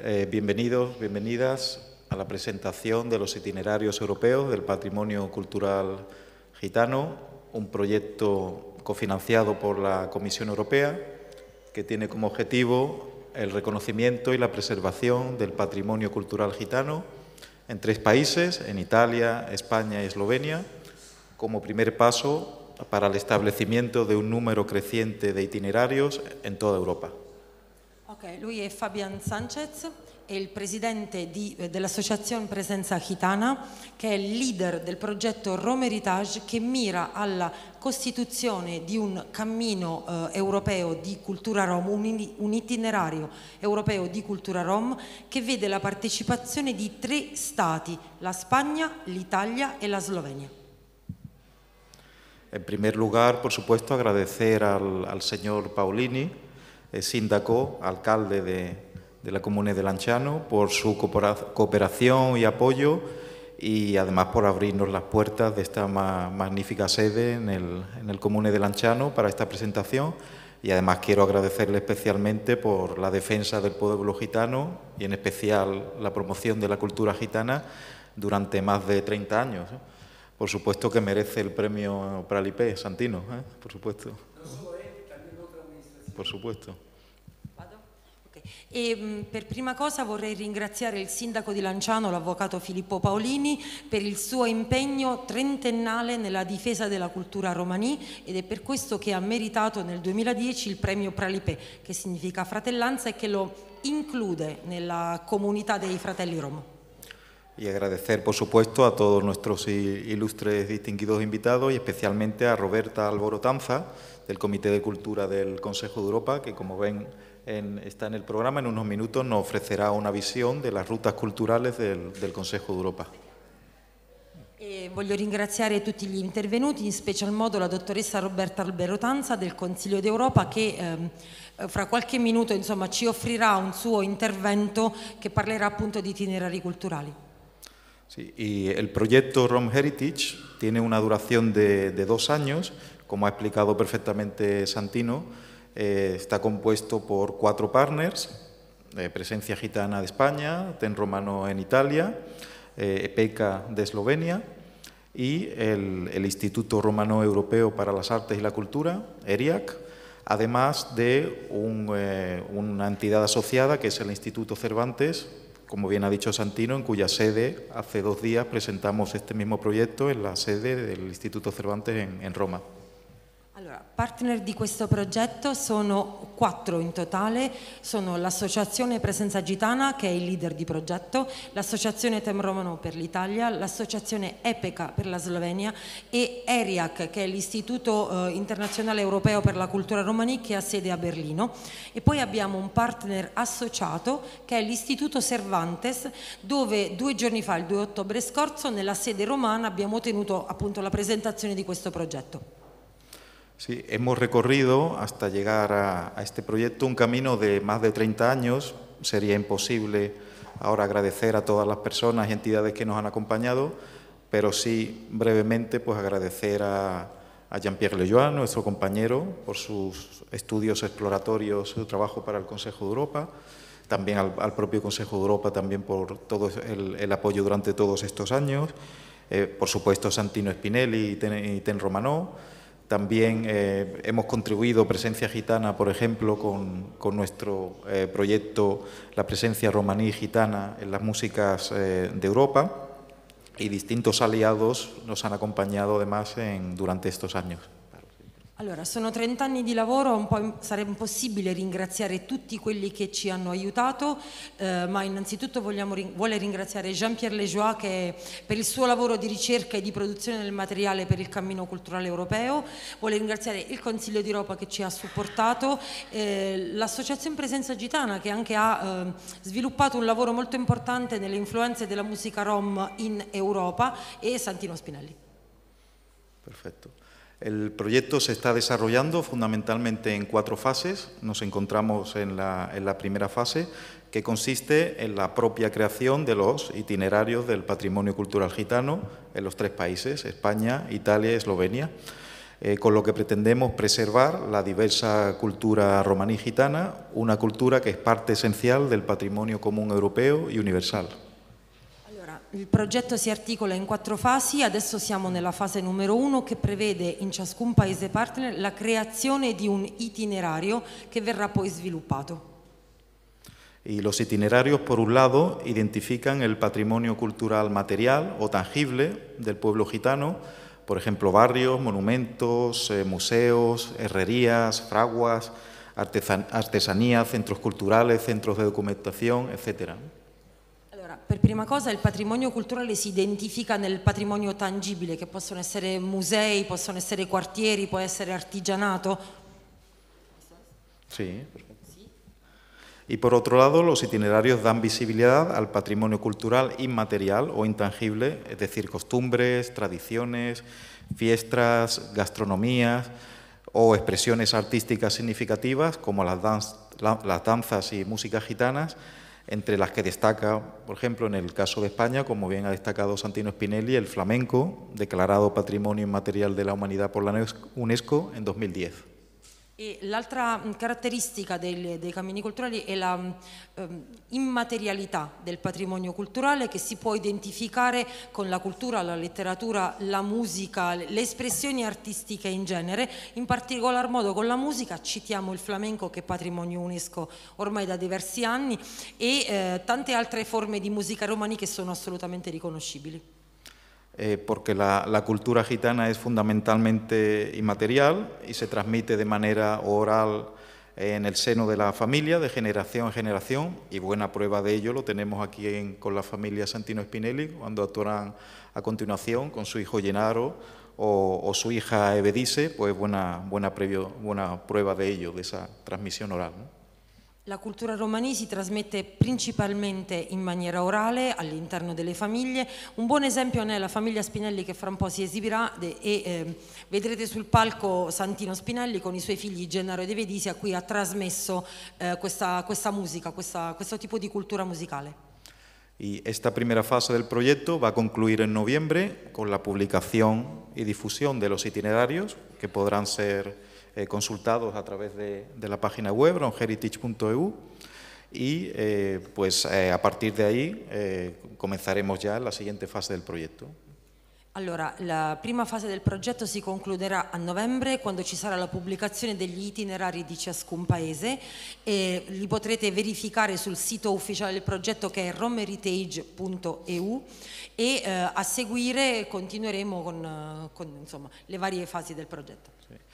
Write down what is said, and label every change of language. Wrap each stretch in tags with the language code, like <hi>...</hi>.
<es>Bienvenidos, bienvenidas a la presentación de los itinerarios europeos del patrimonio cultural gitano, un proyecto cofinanciado por la Comisión Europea que tiene como objetivo el reconocimiento y la preservación del patrimonio cultural gitano en tres países, en Italia, España y Eslovenia, como primer paso para el establecimiento de un número creciente de itinerarios en toda Europa.</es> <it>Okay, lui è Fabian Sanchez, è il presidente dell'Associazione Presenza Gitana, che è il leader del progetto Rome Heritage, che mira alla costituzione di un cammino europeo di cultura Rom, un itinerario europeo di cultura Rom, che vede la partecipazione di tre stati, la Spagna, l'Italia e la Slovenia.</it> <es>In primo luogo, per supuesto, agradecer al signor Paolini, sindaco, alcalde de la Comune de Lanciano, por su cooperación y apoyo y además por abrirnos las puertas de esta magnífica sede en el Comune de Lanciano para esta presentación. Y además quiero agradecerle especialmente por la defensa del pueblo gitano y en especial la promoción de la cultura gitana durante más de 30 años. Por supuesto que merece el premio Pralipé, Santino, por supuesto. No solo él, también por supuesto.</es> <it>E per prima cosa vorrei ringraziare il sindaco di Lanciano, l'avvocato Filippo Paolini, per il suo impegno trentennale nella difesa della cultura romanì, ed è per questo che ha meritato nel 2010 il premio Pralipè, che significa fratellanza e che lo include nella comunità dei fratelli Rom.</it> <es>Y agradecer por supuesto a todos nuestros ilustres distinguidos invitados y especialmente a Roberta Álvaro Tanza del Comité de Cultura del Consejo de Europa, que como ven está en el programa, en unos minutos nos ofrecerá una visión de las rutas culturales del Consejo d'Europa.</es> <it>E voglio ringraziare tutti gli intervenuti, in special modo la dottoressa Roberta Albero Tanza del Consiglio d'Europa, che fra qualche minuto insomma ci offrirà un suo intervento che parlerà appunto di itinerari culturali.</it> <es>Sì, y el proyecto Rome Heritage tiene una duración de 2 años, como ha explicado perfectamente Santino. Está compuesto por 4 partners, Presencia Gitana de España, Ten Romano en Italia, EPECA de Eslovenia y el Instituto Romano Europeo para las Artes y la Cultura, ERIAC, además de una entidad asociada que es el Instituto Cervantes, como bien ha dicho Santino, en cuya sede hace 2 días presentamos este mismo proyecto en la sede del Instituto Cervantes en Roma.</es> <it>Allora, partner di questo progetto sono 4 in totale, sono l'Associazione Presenza Gitana, che è il leader di progetto, l'Associazione Tem Romano per l'Italia, l'Associazione EPECA per la Slovenia e ERIAC, che è l'Istituto Internazionale Europeo per la Cultura Romani, che ha sede a Berlino. E poi abbiamo un partner associato, che è l'Istituto Cervantes, dove 2 giorni fa, il 2 ottobre scorso, nella sede romana abbiamo tenuto appunto la presentazione di questo progetto.</it> <es>Sí, hemos recorrido hasta llegar a este proyecto un camino de más de 30 años. Sería imposible ahora agradecer a todas las personas y entidades que nos han acompañado, pero sí brevemente pues agradecer a Jean-Pierre Lejoine, nuestro compañero, por sus estudios exploratorios, su trabajo para el Consejo de Europa, también al propio Consejo de Europa también por todo el apoyo durante todos estos años, por supuesto Santino Spinelli y Ten Romano. También hemos contribuido Presencia Gitana, por ejemplo, con nuestro proyecto La Presencia Romaní Gitana en las Músicas de Europa, y distintos aliados nos han acompañado además durante estos años.</es> <it>Allora, sono 30 anni di lavoro, sarebbe impossibile ringraziare tutti quelli che ci hanno aiutato, ma innanzitutto vuole ringraziare Jean-Pierre Lejoine, che per il suo lavoro di ricerca e di produzione del materiale per il Cammino Culturale Europeo, vuole ringraziare il Consiglio d'Europa che ci ha supportato, l'Associazione Presenza Gitana che anche ha sviluppato un lavoro molto importante nelle influenze della musica rom in Europa, e Santino Spinelli. Perfetto.</it> <es>El proyecto se está desarrollando fundamentalmente en 4 fases. Nos encontramos en la primera fase, que consiste en la propia creación de los itinerarios del patrimonio cultural gitano en los 3 países, España, Italia y Eslovenia, con lo que pretendemos preservar la diversa cultura romaní gitana, una cultura que es parte esencial del patrimonio común europeo y universal.</es> <it>Il progetto si articola in 4 fasi, adesso siamo nella fase numero 1, che prevede in ciascun paese partner la creazione di un itinerario che verrà poi sviluppato.</it> <es>Y los itinerarios, por un lado, identifican el patrimonio cultural material o tangible del pueblo gitano, por ejemplo, barrios, monumentos, museos, herrerías, fraguas, artesanías, centros culturales, centros de documentación, etcétera.</es> <it>Per prima cosa il patrimonio culturale si identifica nel patrimonio tangibile, che possono essere musei, possono essere quartieri, può essere artigianato. Sì.</it> <es>Y por otro lado, los itinerarios dan visibilidad al patrimonio cultural inmaterial o intangible, es decir, costumbres, tradiciones, fiestas, gastronomías o expresiones artísticas significativas como las danzas y músicas gitanas, entre las que destaca, por ejemplo, en el caso de España, como bien ha destacado Santino Spinelli, el flamenco, declarado Patrimonio Inmaterial de la Humanidad por la UNESCO en 2010.</es> <it>E l'altra caratteristica dei cammini culturali è la immaterialità del patrimonio culturale, che si può identificare con la cultura, la letteratura, la musica, le espressioni artistiche in genere. In particolar modo con la musica citiamo il flamenco, che è patrimonio UNESCO ormai da diversi anni, e tante altre forme di musica romani che sono assolutamente riconoscibili.</it> <es>Porque la cultura gitana es fundamentalmente inmaterial y se transmite de manera oral en el seno de la familia, de generación en generación, y buena prueba de ello lo tenemos aquí con la familia Santino Spinelli, cuando actuarán a continuación con su hijo Gennaro o su hija Evedice, pues buena prueba de ello, de esa transmisión oral, ¿no?</es> <it>La cultura romaní si trasmette principalmente in maniera orale all'interno delle famiglie. Un buon esempio è la famiglia Spinelli, che fra un po' si esibirà, e vedrete sul palco Santino Spinelli con i suoi figli Gennaro ed Evedice, a cui ha trasmesso questa musica, questo tipo di cultura musicale.</it> <es>Y esta primera fase del proyecto va a concluir en noviembre con la publicación y difusión de los itinerarios, que podrán ser consultados a través de la página web romheritage.eu, y a partir de ahí comenzaremos ya la siguiente fase del proyecto.</es> <it>Allora, la prima fase del progetto si concluderà a novembre, quando ci sarà la pubblicazione degli itinerari di ciascun paese, e li potrete verificare sul sito ufficiale del progetto, che è romheritage.eu, e a seguire continueremo con insomma, le varie fasi del progetto.</it>